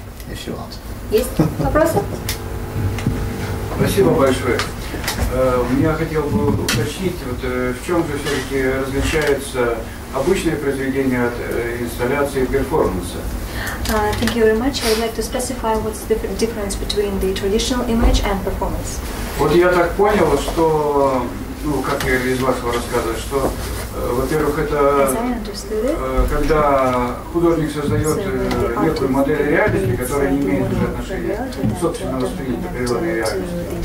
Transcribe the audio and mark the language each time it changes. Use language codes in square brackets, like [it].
[en] If you want. [ru] Есть вопросы? Спасибо большое. Я хотел бы уточнить, вот в чем же все-таки различается обычное произведение от инсталляции перформанса. [en] Thank you very much. I'd like to specify what's the difference between the traditional image and performance. [ru] Вот я так понял, что как я из вашего рассказа, что, во-первых, это когда художник создает некую модель реальности, которая не имеет уже отношения к собственно воспринятой природной реальности.